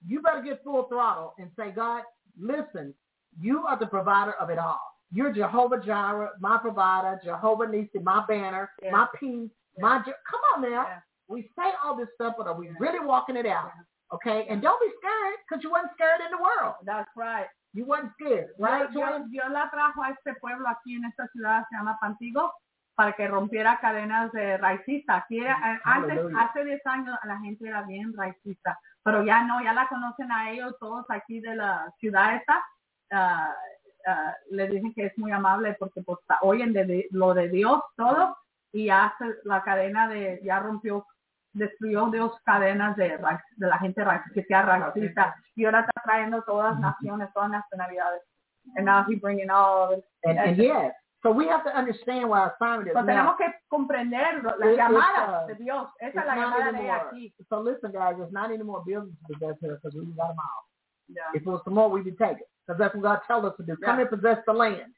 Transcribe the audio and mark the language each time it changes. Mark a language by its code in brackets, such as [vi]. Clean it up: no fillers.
[en] You better get full throttle and say, God, listen, you are the provider of it all. You're Jehovah Jireh, my provider, Jehovah Nisi, my banner, my peace, my come on now. Yeah. We say all this stuff, but are we really walking it out? Yeah. Okay? And don't be scared, because you weren't scared in the world. That's right. You weren't scared, right? [es] Yo la trajo a este pueblo aquí en esta ciudad, se llama Pantigo, para que rompiera cadenas de racista. Aquí era, hace 10 años la gente era bien racista. Pero ya no, ya la conocen a ellos todos aquí de la ciudad esta. Le dicen que es muy amable porque pues, oyen de lo de Dios todo. Y ya la cadena de, ya rompió, destruyó Dios cadenas de la gente que sea racista. Y ahora está trayendo todas naciones, todas nacionalidades. [en] And now he's bringing all of it. And yes. So we have to understand what our assignment is. But now, [es] tenemos que comprender la llamada de Dios. Esa es la llamada [en] anymore, [es] de aquí. [en] So listen, guys, there's not any more buildings to possess here because we got them all. Yeah. If it was some more, we'd be taking. Because that's what God tells us to do. Yeah. Come and possess the land.